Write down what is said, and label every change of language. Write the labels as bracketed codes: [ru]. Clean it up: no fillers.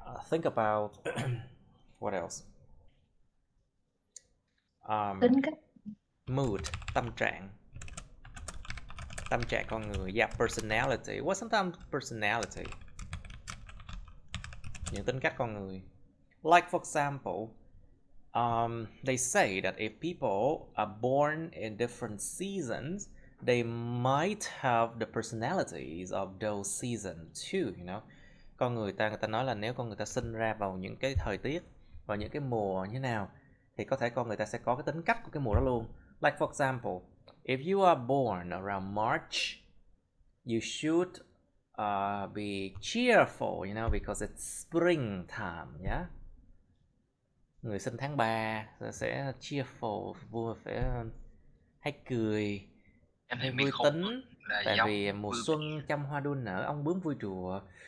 [en] Think about what else? [vi] Tính cách. [en] Mood, [vi] tâm trạng. Tâm trạng con người. [en] Yeah, personality. What sometimes personality? [vi] Những tính cách con người. [en] Like for example, they say that if people are born in different seasons, they might have the personalities of those seasons too, you know. [vi] Con người ta nói là nếu con người ta sinh ra vào những cái thời tiết và những cái mùa như nào thì có thể con người ta sẽ có cái tính cách của cái mùa đó luôn. [en] Like for example, if you are born around March, you should be cheerful, you know, because it's spring time, yeah. [vi] Người sinh tháng 3 sẽ cheerful, vui vẻ, hay cười. Em thấy vui tính, tại vì mùa xuân trăm hoa đua nở, ong bướm vui đùa.